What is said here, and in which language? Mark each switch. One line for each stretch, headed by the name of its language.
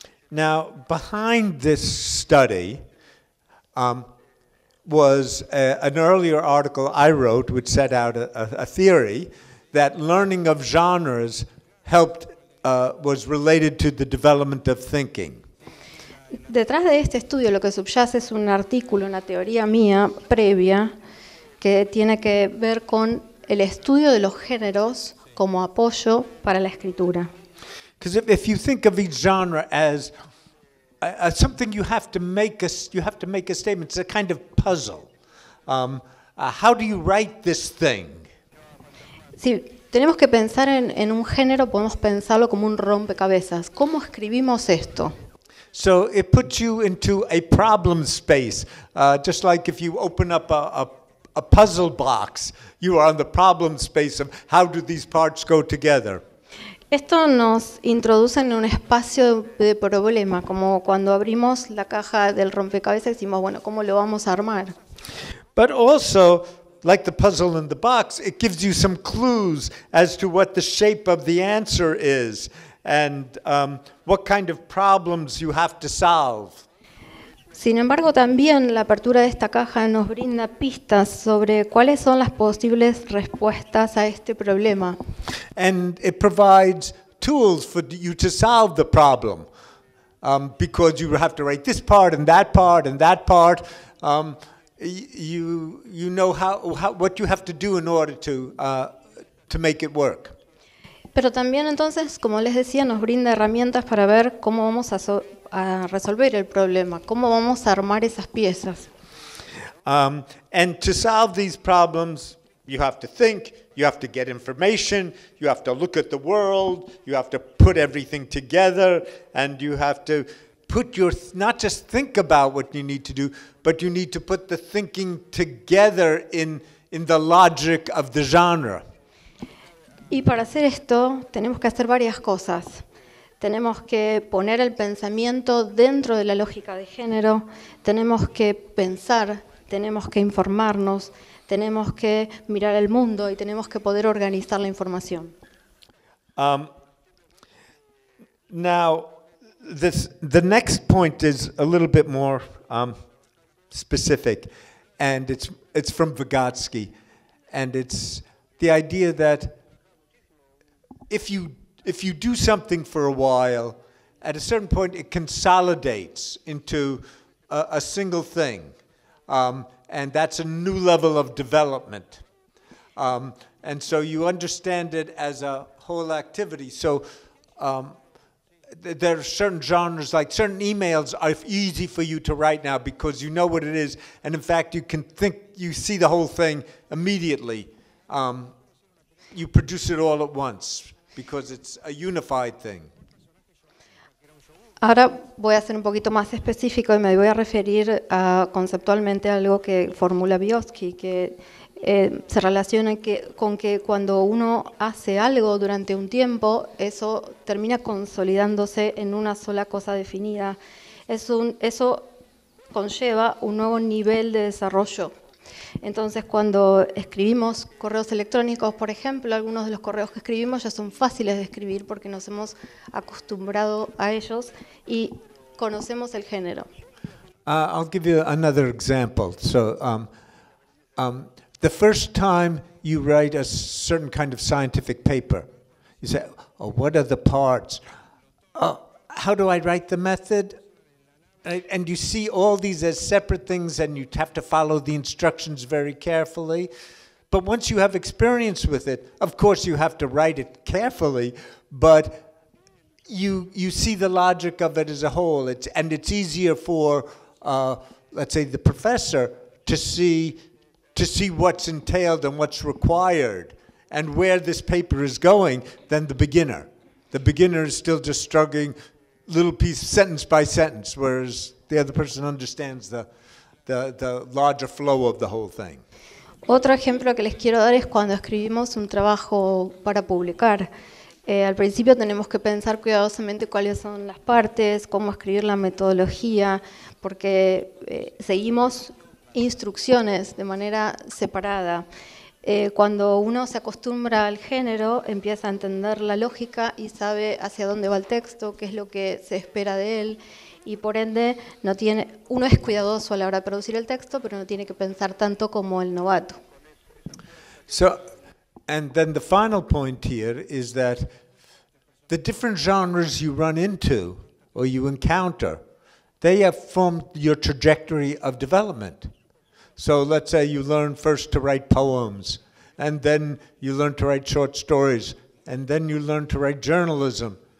English: Now, behind this study was an earlier article I wrote, which set out a theory that learning of genres helped was related to the development of thinking.
Spanish: Detrás de este estudio, lo que subyace es un artículo, una teoría mía previa, que tiene que ver con el estudio de los géneros como apoyo para la escritura.
English: Because if you think of each genre as something you have to make a statement, it's a kind of puzzle. How do you write this thing?
Spanish: Si tenemos que pensar en un género, podemos pensarlo como un rompecabezas. ¿Cómo escribimos esto?
English: So it puts you into a problem space, just like if you open up a puzzle box, you are in the problem space of how do these parts go together.
Spanish: Esto nos introduce en un espacio de problema, como cuando abrimos la caja del rompecabezas y decimos, bueno, ¿cómo lo vamos a armar?
English: But also, like the puzzle in the box, it gives you some clues as to what the shape of the answer is and what kind of problems you have to solve.
Spanish: Sin embargo, también la apertura de esta caja nos brinda pistas sobre cuáles son las posibles respuestas a este problema.
English: And it provides tools for you to solve the problem, because you have to write this part and that part and that part. You know how what you have to do in order to make it work.
Spanish: Pero también entonces, como les decía, nos brinda herramientas para ver cómo vamos a resolver el problema, cómo vamos a armar esas piezas.
English: And to solve these problems, you have to think, You have to get information, you have to look at the world, you have to put everything together, and you have to put your, not just think about what you need to do, but you need to put the thinking together in the logic of the genre.
Spanish: Y para hacer esto, tenemos que hacer varias cosas. Tenemos que poner el pensamiento dentro de la lógica de género, tenemos que pensar, tenemos que informarnos, tenemos que mirar el mundo y tenemos que poder organizar la información.
English: Now, the next point is a little bit more specific, and it's from Vygotsky, and it's the idea that if you do something for a while, at a certain point it consolidates into a single thing. And that's a new level of development. And so you understand it as a whole activity. So there are certain genres, like certain emails are easy for you to write now because you know what it is. And in fact, you can think, you see the whole thing immediately. You produce it all at once because it's a unified thing.
Spanish: Ahora voy a ser un poquito más específico y me voy a referir conceptualmente a algo que formula Vygotsky, que se relaciona con que cuando uno hace algo durante un tiempo, eso termina consolidándose en una sola cosa definida. Eso conlleva un nuevo nivel de desarrollo. Entonces, cuando escribimos correos electrónicos, por ejemplo, algunos de los correos que escribimos ya son fáciles de escribir porque nos hemos acostumbrado a ellos y conocemos el género.
English: I'll give you another example. So, the first time you write a certain kind of scientific paper, you say, oh, what are the parts? How do I write the method? And you see all these as separate things and you have to follow the instructions very carefully. But once you have experience with it, of course you have to write it carefully, but you see the logic of it as a whole. And it's easier for, let's say, the professor to see what's entailed and what's required and where this paper is going than the beginner. The beginner is still just struggling little piece, sentence by sentence, whereas the other person understands the larger flow of the whole thing.
Spanish: Otro ejemplo que les quiero dar es cuando escribimos un trabajo para publicar. Al principio tenemos que pensar cuidadosamente cuáles son las partes, cómo escribir la metodología, porque seguimos instrucciones de manera separada. Cuando uno se acostumbra al género, empieza a entender la lógica y sabe hacia dónde va el texto, qué es lo que se espera de él, y por ende, no tiene, uno es cuidadoso a la hora de producir el texto, pero no tiene que pensar tanto como el novato.
English: So, and then the final point here is that the different genres you run into or you encounter, they have formed your trajectory of development. So let's say you learn first to write poems, and then you learn to write short stories, and then you learn to write journalism.